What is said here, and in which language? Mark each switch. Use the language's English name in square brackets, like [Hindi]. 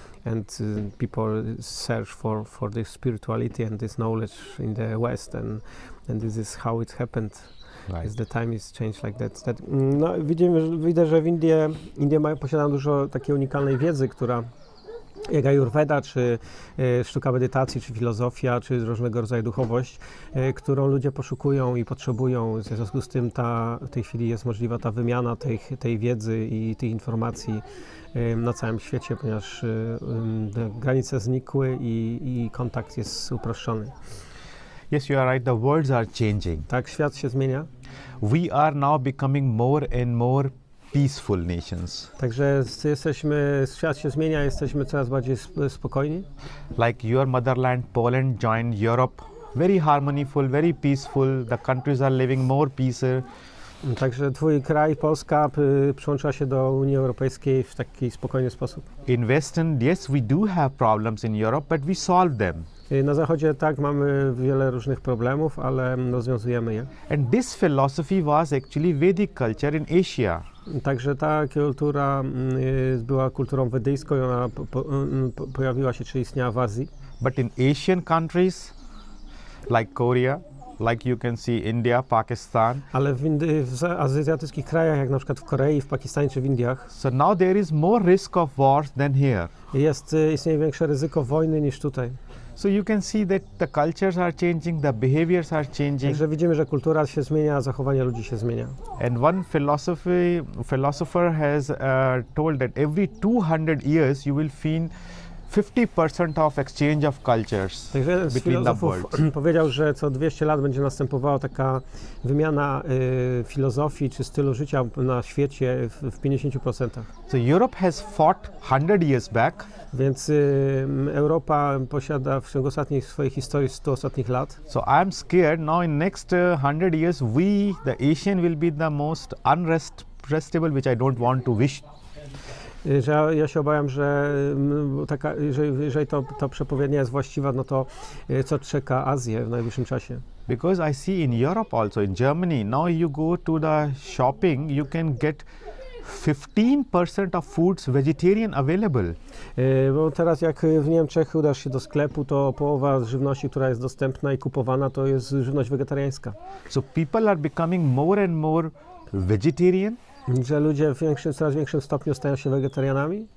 [English] And people search for this spirituality and this knowledge in the West, and this is how it happened. Right. It's the time is changed like that. [Polish] Widzę, że w Indie posiadają dużo takiej unikalnej wiedzy, która jak Ayurveda, czy sztuka medytacji, czy filozofia, czy różnego rodzaju duchowość, którą ludzie poszukują i potrzebują. W związku z tym w tej chwili jest możliwa ta wymiana tej wiedzy i tych informacji na całym świecie, ponieważ granice znikły i kontakt jest uproszczony. [English] Yes, you are right. The worlds are changing. [Polish] Tak, świat się zmienia. [English] We are now becoming more and more peaceful nations. [Polish] Także jesteśmy, świat się zmienia, jesteśmy coraz bardziej spokojni. [English] Like your motherland, Poland joined Europe. Very harmonious, very peaceful. The countries are living more peace. [Polish] Także twój kraj, Polska, przyłącza się do Unii Europejskiej w taki spokojny sposób. [English] In Western, yes, we do have problems in Europe, but we solve them. [Polish] Na zachodzie tak, mamy wiele różnych problemów, ale rozwiązujemy je. [English] And this philosophy was actually Vedic culture in Asia. [Polish] Także ta kultura była kulturą wedyjską i ona pojawiła się, czy istniała w Azji. [English] But in Asian countries, like Korea, like you can see India, Pakistan. [Polish] Ale w azjatyckich krajach, jak na przykład w Korei, w Pakistanie czy w Indiach. [English] So now there is more risk of war than here. [Polish] Istnieje większe ryzyko wojny niż tutaj. [English] So you can see that the cultures are changing, the behaviors are changing. [Polish] Także widzimy, że kultura się zmienia, zachowanie ludzi się zmienia. [English] And one philosopher has told that every 200 years you will find 50% of exchange of cultures between the world. [Polish] Powiedział, że co 200 lat będzie następowała taka wymiana filozofii czy stylu życia na świecie w 50%. [English] So Europe has fought 100 years back. [Polish] Więc Europa posiada w ciągu ostatnich swojej historii 100 ostatnich lat. [English] So I'm scared now in next 100 years we the Asian will be the most unrestable, which I don't want to wish. [Polish] Że ja się obawiam, że taka, jeżeli to przepowiednia jest właściwa, no to co czeka Azję w najbliższym czasie? [English] Because I see in Europe also, in Germany, now you go to the shopping, you can get 15% of foods vegetarian available. [Polish] Bo teraz jak w Niemczech udasz się do sklepu, to połowa żywności, która jest dostępna i kupowana, to jest żywność wegetariańska. [English] So people are becoming more and more vegetarian. [Polish] Że ludzie w większym, coraz większym stopniu stają się wegetarianami?